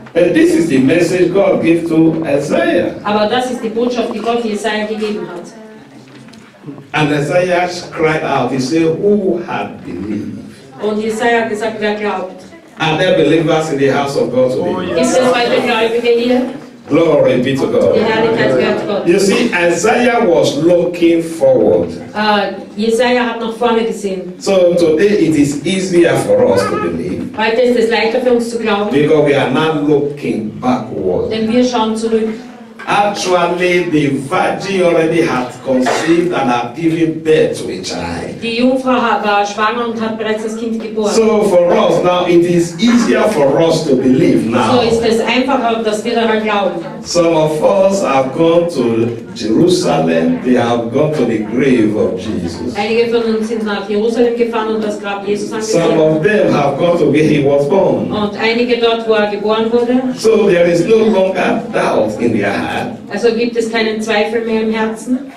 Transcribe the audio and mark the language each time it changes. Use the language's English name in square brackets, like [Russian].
[English] And this is the message God gave to Isaiah. [German] Aber das ist die Botschaft, die Gott Jesaja gegeben hat. [English] And Isaiah cried out, he said, who had believed? [German] Und Jesaja hat gesagt, wer glaubt? [English] Are there believers in the house of God today? Oh, yes. Glory be to God. You see, Isaiah was looking forward. [German] Jesaja hat nach vorne gesehen. [English] So today it is easier for us to believe. [German] Heute ist es leichter für uns zu glauben. [English] Because we are not looking backward. [German] Denn wir schauen zurück. [English] Actually, the virgin already had conceived and had given birth to a child. [German] Die Jungfrau war schwanger und hat bereits das Kind geboren. [English] So for us now, it is easier for us to believe now. [German] So ist es einfacher, dass wir daran glauben. [English] Some of us have gone to Jerusalem, they have gone to the grave of Jesus. [German] Einige von uns sind nach Jerusalem gefahren und das Grab Jesus angesehen. [English] Some of them have gone to where he was born. [German] Und einige dort, wo er geboren wurde. [English] So there is no longer doubt in their heart. [German] Also gibt es keinen Zweifel mehr im Herzen.